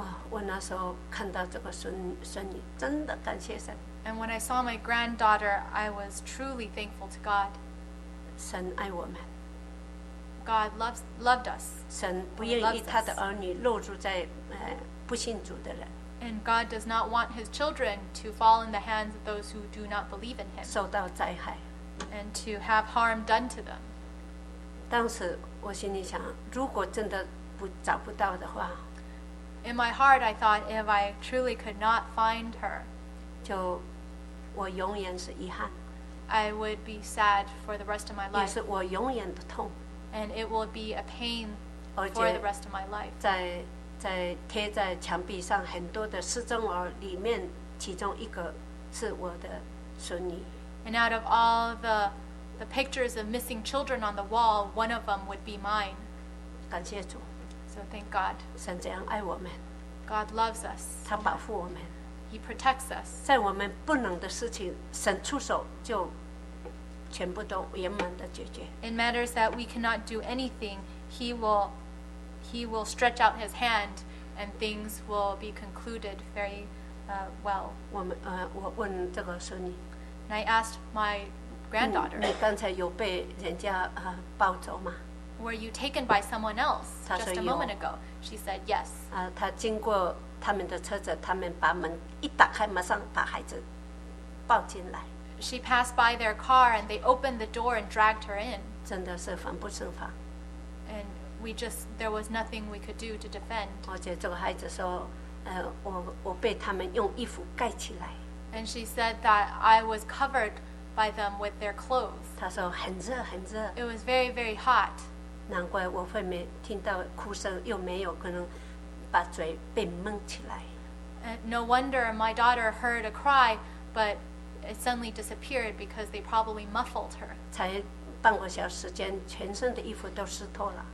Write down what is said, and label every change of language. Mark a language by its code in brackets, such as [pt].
[zh] 我那时候看到这个孙女，真的感谢神。 [en] And when I saw my granddaughter, I was truly thankful to God. [zh] 神爱我们。 [en] God loved us. [zh] 神不愿意他的儿女落入在不信主的人。 [en] And God does not want his children to fall in the hands of those who do not believe in him. [zh] 受到灾害。 [en] And to have harm done to them. [zh] 当时我心里想，如果真的找不到的话。 [en] In my heart, I thought, if I truly could not find her, [zh] 就我永远是遗憾。 [en] I would be sad for the rest of my life. [zh] 也是我永远的痛。 [en] And it will be a pain for the rest of my life. [zh] 在贴在墙壁上很多的失踪儿里面，其中一个是我的孙女。 [en] And out of all the pictures of missing children on the wall, one of them would be mine. [zh] 感谢主。 [en] So thank God. [zh] 神这样爱我们。 [en] God loves us. [zh] 他保护我们。 [en] He protects us. [zh] 在我们不能的事情，神出手就全部都圆满的解决。 [en] In matters that we cannot do anything, He will stretch out His hand, and things will be concluded very well. [zh] 我问这个孙女。 [en] And I asked my granddaughter. [zh] 你刚才有被人家抱走吗？ [en] Were you taken by someone else just a moment ago? She said yes. [zh] 她经过他们的车子，他们把门一打开，马上把孩子抱进来。 [en] She passed by their car and they opened the door and dragged her in. [zh] 真的是防不胜防。 [en] And there was nothing we could do to defend. [zh] 而且这个孩子说，我被他们用衣服盖起来。 [en] And she said that I was covered by them with their clothes. [zh] 她说很热很热。 [en] It was very, very hot. [zh] 难怪我会没听到哭声，又没有可能把嘴被蒙起来。 [en] And no wonder my daughter heard a cry, but it suddenly disappeared because they probably muffled her. [zh] 才半个小时间，全身的衣服都湿透了。